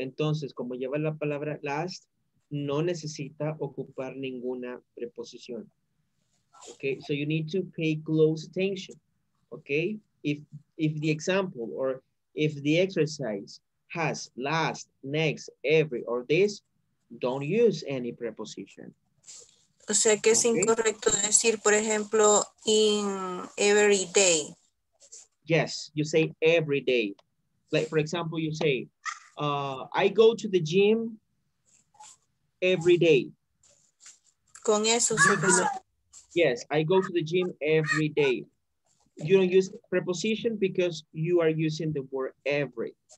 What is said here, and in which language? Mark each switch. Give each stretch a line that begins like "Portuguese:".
Spanish: Entonces, como lleva la palabra last, no necesita ocupar ninguna preposición.
English: Okay, so you need to pay close attention. Okay, if the example or if the exercise has last, next, every, or this, don't use any preposition.
Spanish: O sea que es incorrecto decir, por ejemplo,
English: in every day. Yes, you say every day. Like, for example, you say, I go to the gym every day.
Spanish: Con eso se pasa.
English: Yes, I go to the gym every day. You don't use preposition because you are using the word every.